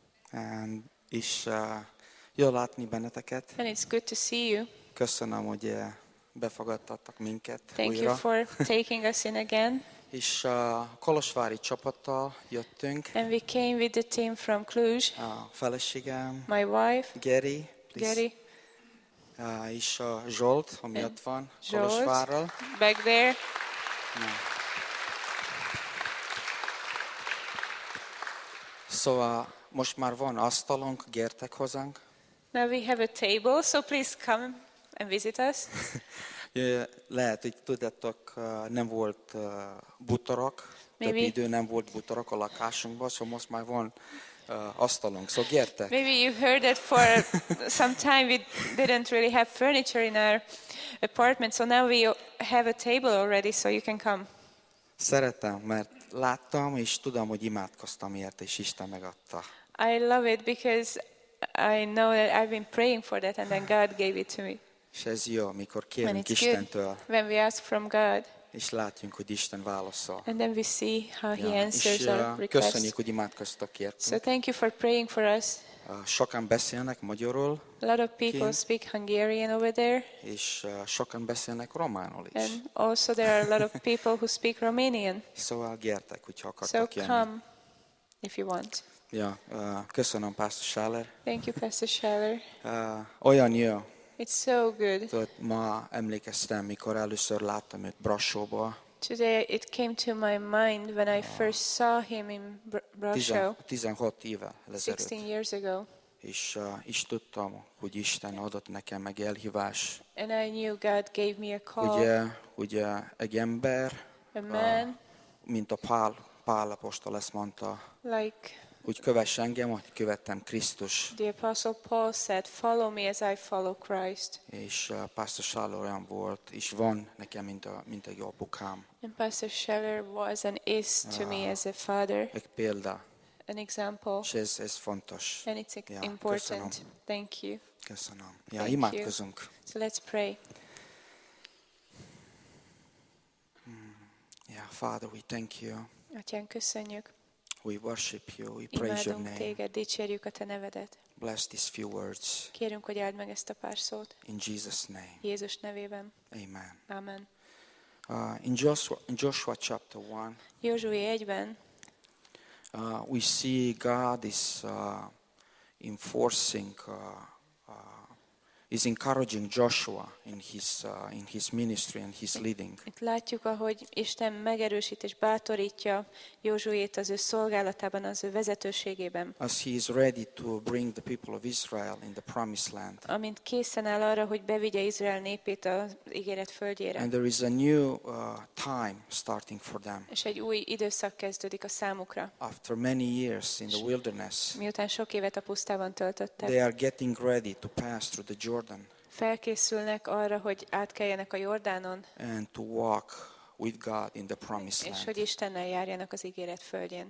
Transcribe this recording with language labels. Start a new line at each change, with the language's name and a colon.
Hungarian: And is jó látni benneteket.
English: And it's good to see you.
Hungarian: Köszönöm, hogy befogadtattak minket
English: Thank
Hungarian: újra.
English: You for taking us in again.
Hungarian: És a kolozsvári csapattal jöttünk.
English: And we came with the team from Cluj.
Hungarian: A feleségem.
English: My wife.
Hungarian: Geri.
English: Geri.
Hungarian: És a Zsolt, ami ott van Kolozsvárral.
English: Back there.
Hungarian: Szóval most már van asztalunk, gyertek hozzánk.
English: Now we have a table, so please come and visit us.
Hungarian: Lehet, hogy tudjátok, nem volt butorok, több idő nem volt butorok a lakásunkban, so most már van asztalunk, so gyertek.
English: Maybe you heard that for some time we didn't really have furniture in our apartment, so now we have a table already, so you can come.
Hungarian: Szeretem, mert láttam és tudom, hogy imádkoztam érte, és Isten megadta.
English: I love it because I know that I've been praying for that and then God gave it to me.
Hungarian: És ez jó, mikor kérünk Istentől.
English: When we ask from God.
Hungarian: És látjunk, hogy Isten válaszol.
English: And then we see how he answers our requests.
Hungarian: Köszönjük, hogy imádkoztok értünk.
English: So thank you for praying for us.
Hungarian: Sokan beszélnek magyarul.
English: A lot of people speak Hungarian over there.
Hungarian: És sokan beszélnek románul is.
English: And also there are a lot of people who speak Romanian.
Hungarian: Szóval gyertek, hogyha akartok
English: jönni. So come if you want.
Hungarian: Ja, köszönöm, Pastor Schaller.
English: Thank you, Pastor Schaller.
Hungarian: Olyan jó.
English: It's so good.
Hungarian: Tudod, ma emlékeztem, mikor először láttam őt Brasóba.
English: Today it came to my mind when I first saw him in Brasov.
Hungarian: 16 éve ezelőtt.
English: 16 years ago.
Hungarian: És is tudtam, hogy Isten adott nekem meg elhívás.
English: And I knew God gave me a call.
Hungarian: Ugye egy ember,
English: a man,
Hungarian: mint a Pál apostol ezt mondta.
English: Like
Hungarian: úgy kövess engem, hogy követtem Krisztus.
English: The Apostle Paul said, follow me as I follow Christ.
Hungarian: És Pastor Schaller olyan volt, és van nekem, mint egy apukám.
English: And Pastor Schaller was and is to me as a father.
Hungarian: Egy példa.
English: An example.
Hungarian: És ez fontos.
English: And it's important.
Hungarian: Köszönöm.
English: Thank you.
Hungarian: Köszönöm. Ja, imádkozunk.
English: So let's pray. Yeah, Father, we thank you.
Hungarian: Atyán, köszönjük.
English: We worship you, we praise your name.
Hungarian: Téged, dicsérjük a te nevedet.
English: Bless these few words.
Hungarian: Kérünk, hogy áld meg ezt a pár szót.
English: In Jesus' name.
Hungarian: Jézus nevében.
English: Amen.
Hungarian: Amen.
English: In Joshua chapter 1.
Hungarian: Józsué 1-ben.
English: We see God is enforcing is encouraging Joshua in his ministry and his leading.
Hungarian: Itt látjuk, ahogy Isten megerősít és bátorítja Józsuét az ő szolgálatában, az ő vezetőségében.
English: As he is ready to bring the people of Israel in the promised land.
Hungarian: Amint készen áll arra, hogy bevigye Izrael népét az ígéret földjére.
English: And there is a new time starting for them.
Hungarian: És egy új időszak kezdődik a számukra.
English: After many years in the wilderness.
Hungarian: Miután sok évet a pusztában töltöttek.
English: They are getting ready to pass through the Jordan.
Hungarian: Felkészülnek arra, hogy átkeljenek a Jordánon.
English: And to walk with God in the promised land.
Hungarian: És hogy Istennel járjanak az ígéret földjén.